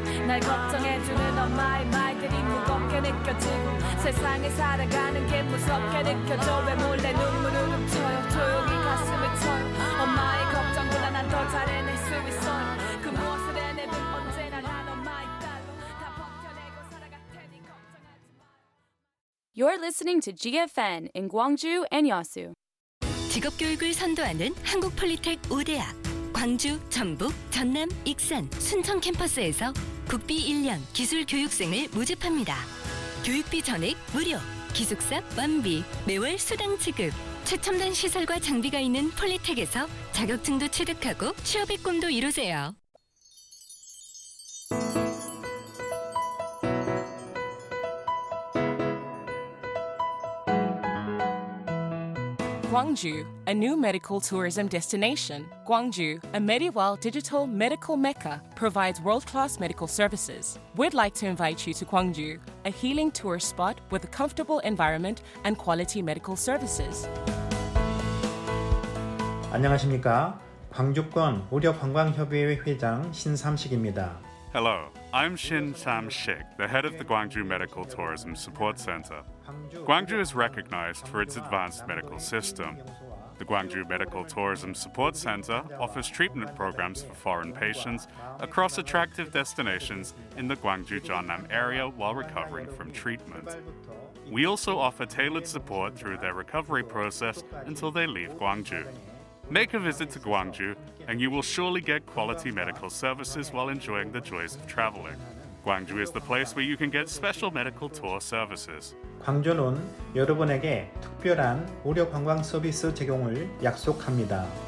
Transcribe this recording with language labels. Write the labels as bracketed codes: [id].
[ko] 날 걱정해주는 엄마의 말들이 무겁게 느껴지고 세상에 살아가는 게 무섭게 느껴져 왜 몰래 눈물을 훔쳐요 조용히 가슴을 쳐요 엄마의 걱정보다 난 더 잘 해낼 수 있어요 그 무엇을 해내든 언제나 난 엄마의 딸로 다 버텨내고 살아갈 테니 걱정하지 마요 [en] You're listening to GFN in Gwangju and Yeosu [ko] 직업교육을 선도하는 한국폴리텍 우대학 광주, 전북, 전남, 익산, 순천 캠퍼스에서 국비 1년 기술교육생을 모집합니다. 교육비 전액 무료, 기숙사 완비, 매월 수당 지급, 최첨단 시설과 장비가 있는 폴리텍에서 자격증도 취득하고 취업의 꿈도 이루세요. [en] 광주, a new medical tourism destination. Guangzhou, a medieval digital medical mecca, provides world-class medical services. We'd like to invite you to Guangzhou, a healing tourist spot with a comfortable environment and quality medical services. [ko] 안녕하십니까? 광주권 의료 관광협의회 회장 신삼식입니다. [en] Hello, I'm Shin Sam-shik, the head of the Guangzhou Medical Tourism Support Center. Guangzhou is recognized for its advanced medical system. The Guangzhou Medical Tourism Support Center offers treatment programs for foreign patients across attractive destinations in the Guangzhou-Jeonnam area while recovering from treatment. We also offer tailored support through their recovery process until they leave Guangzhou. Make a visit to Guangzhou, and you will surely get quality medical services while enjoying the joys of traveling. Guangzhou is the place where you can get special medical tour services. [ko] 광주는 여러분에게 특별한 의료 관광 서비스 제공을 약속합니다.